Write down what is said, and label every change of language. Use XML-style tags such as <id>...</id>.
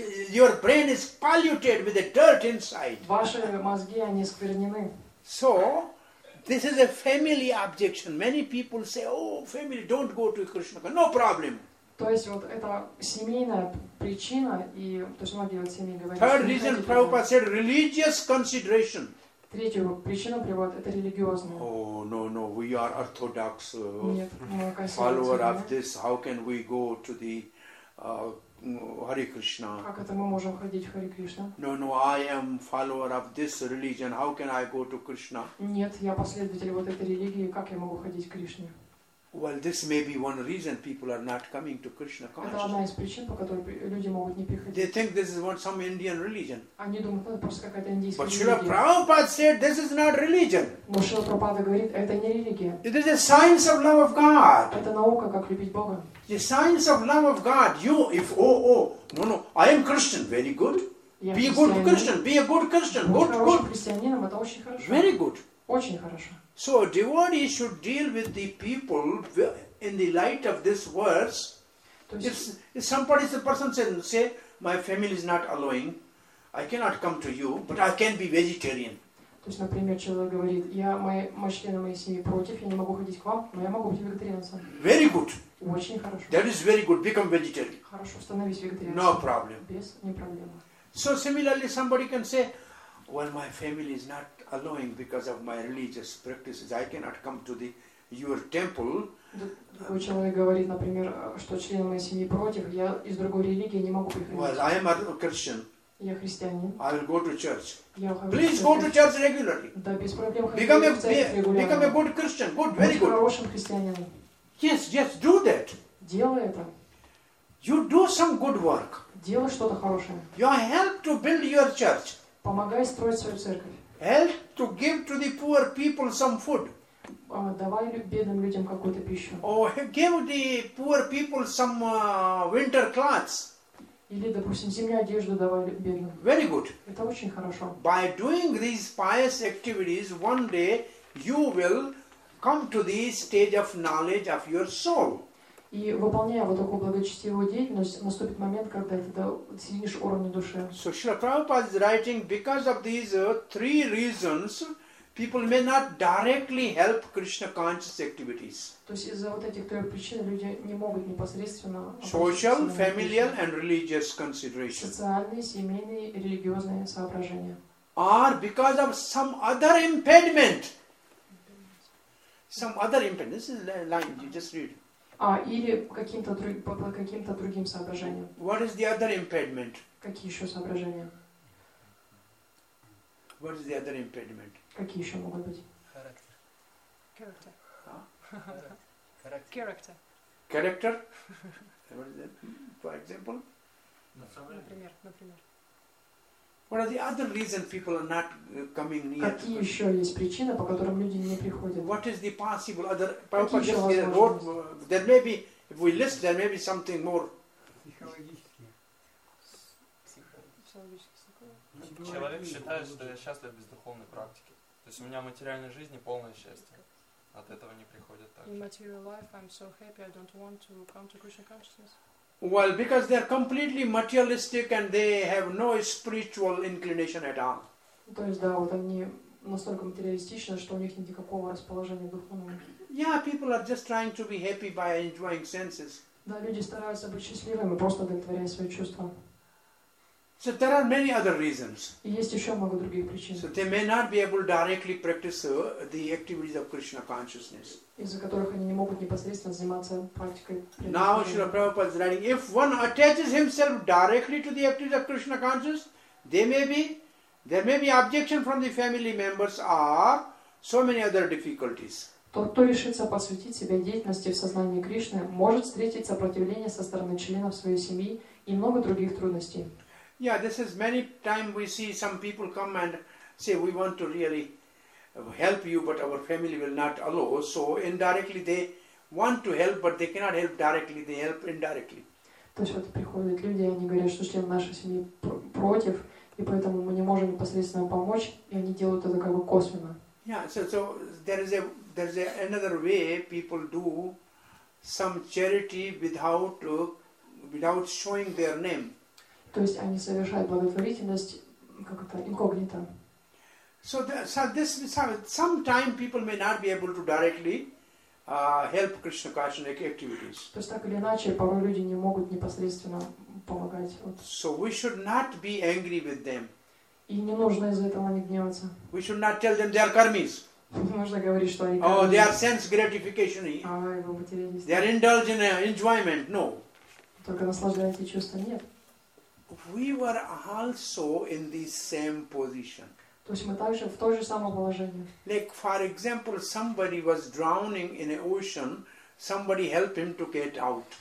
<en>Your brain is polluted with the dirt inside.</en> <ru>Ваши мозги, они сквернены.</ru> <en>So, this is a family objection. Many people say, oh, family, don't go to Krishna. No problem.</en> <ru>То есть вот это семейная причина, и то есть многие вот семьи говорят.</ru> <en>Third reason, Prabhupada said, religious consideration.</en> <ru>Третью причину приводит это религиозное.</ru> <en>Oh no no, we are orthodox</en> <ru>нет,</ru> <en>follower of this. How can we go to the Hare Krishna?</en> <ru>Как это мы можем ходить в Hare Krishna?</ru> <en>No no, I am follower of this religion. How can I go to Krishna?</en> <ru>Нет, я последователь вот этой религии. Как я могу ходить к Кришне?</ru> <en>Well, this may be one reason people are not coming to Krishna consciousness.</en> <ru>Это одна из причин, по которой люди могут не приходить.</ru> <en>They think this is one some Indian religion.</en> <ru>Они думают, это просто какая-то индийская религия.</ru> <en>But Srila Prabhupada said this is not religion.</en> <ru>Но Шрила Прабхупада говорит, это не религия.</ru> <en>It is a science of love of God.</en> <ru>Это наука, как любить Бога.</ru> <en>The science of love of God. You, if no, I am Christian, very good. Be a good Christian. Be a good Christian. Good, good.</en> <ru>Христианином это очень хорошо.</ru> <en>Very good.</en> <ru>Очень хорошо.</ru> <en>So a devotee should deal with the people in the light of this verse. If somebody, if a person say, my family is not allowing, I cannot come to you, but I can be vegetarian.</en> <ru>То есть, например, человек говорит, мои члены моей семьи против, я не могу ходить к вам, но я могу быть вегетарианцем.</ru> <en>Very good.</en> <ru>Очень хорошо.</ru> <en>That is very good. Become vegetarian.</en> <ru>Хорошо, становись вегетарианцем.</ru> <en>No problem.</en> <ru>Без не проблема.</ru> <en>So similarly, somebody can say, well, my family is not allowing because of my religious practices. I cannot come to your temple.</en> <ru>Другой человек говорит, например, что члены моей семьи против, я из другой религии не могу приходить.</ru> <en>Well, I am a Christian.</en> <ru>Я христианин.</ru> <en>I will go to church.</en> <ru>Я ухожу.</ru> <en>Please go to church regularly.</en> <ru>Да, без проблем.</ru> <en>Become a good Christian. Good, very good.</en> <ru>Будь хорошим христианином.</ru> <en>Yes, yes, do that.</en> <ru>Делай это.</ru> <en>You do some good work.</en> <ru>Делай что-то хорошее.</ru> <en>You help to build your church.</en> <ru>Помогай строить свою церковь.</ru> <en>Help to give to the poor people some food.</en> <ru>Давай бедным людям какую-то пищу.</ru> <en>Or give the poor people some winter clothes.</en> <ru>Или, допустим, зимнюю одежду давай бедным.</ru> <en>Very good.</en> <ru>Это очень хорошо.</ru> <en>By doing these pious activities, one day you will come to the stage of knowledge of your soul.</en> <ru>И выполняя вот такую благочестивую деятельность, наступит момент, когда ты достигнешь уровня души.</ru> <en>So Srila Prabhupada is writing, because of these three reasons, people may not directly help Krishna conscious activities.</en> <ru>То есть из-за вот этих трех причин люди не могут непосредственно...</ru> <en>Social, familial and religious considerations.</en> <ru>Социальные, семейные, религиозные соображения.</ru> <en>Or because of some other impediment. Some other impediment. This is the line, you just read.</en> <ru>Или каким-то другим соображением.</ru> <en>What is the other impediment?</en> <ru>Какие еще соображения?</ru> <en>What is the other impediment?</en> <ru>Какие еще могут быть? Характер.</ru> <en>Character.</en> <ru>Характер.</ru> <en>Character. Character? What is that? For example?</en> <ru>Например.</ru> <en>What are the other reason people are not coming near?</en> <ru>Какие еще есть причины, по которым люди не приходят?</ru> <en>What is the possible other?</en> <ru>Какие еще возможности?</ru> <en>There may be, if we list, there may be something more.</en> <ru>Психологические. Человек считает, что я счастлив без духовной практики. То есть у меня в материальной жизни полное счастье. От этого не приходят так.</ru> <en>In material life, I'm so happy. I don't want to come to Krishna consciousness. Well, because they are completely materialistic and they have no spiritual inclination at all.</en> <ru>То есть да, вот они настолько материалистичны, что у них нет никакого расположения духовного.</ru> <en>Yeah, people are just trying to be happy by enjoying senses.</en> <ru>Да, люди стараются быть счастливыми, просто удовлетворяя свои чувства.</ru> <en>So there are many other reasons.</en> <ru>Есть еще много других причин.</ru> <en>So they may not be able directly practice the activities of Krishna consciousness.</en> <ru>Из-за которых они не могут непосредственно заниматься практикой.</ru> <en>Now Srila Prabhupada is writing, if one attaches himself directly to the activities of Krishna consciousness, there may be objection from the family members or so many other difficulties.</en> <ru>Тот, кто решится посвятить себя деятельности в сознании Кришны, может встретить сопротивление со стороны членов своей семьи и много других трудностей.</ru> <en>Yeah, this is many times we see some people come and say we want to really help you, but our family will not allow. So indirectly they want to help, but they cannot help directly. They help indirectly.</en> <ru>То есть вот приходят люди, они говорят, что члены нашей семьи против, и поэтому мы не можем непосредственно помочь, и они делают это как бы косвенно.</ru> <en>Yeah, so there is another way people do some charity without showing their name.</en> <ru>То есть они совершают благотворительность как это инкогнито.</ru> <en>So sometimes people may not be able to directly help Krishna consciousness activities.</en> <ru>То есть так или иначе, порой люди не могут непосредственно помогать. Вот.</ru> <en>So we should not be angry with them.</en> <ru>И не нужно из-за этого не гневаться.</ru> <en>We should not tell them they are karmis.</en> <ru>Нужно говорить, что они.</ru> <en>Oh, they are sense gratification.</en> <ru>А, его материалист.</ru> <en>They are indulging in enjoyment. No.</en> <ru>Только наслаждаясь чувства нет.</ru> <en>We were also in the same position.</en> <ru>То есть мы также в то же самое положение.</ru> <en>Like, for example, somebody was drowning in an ocean. Somebody helped him to get out.</en>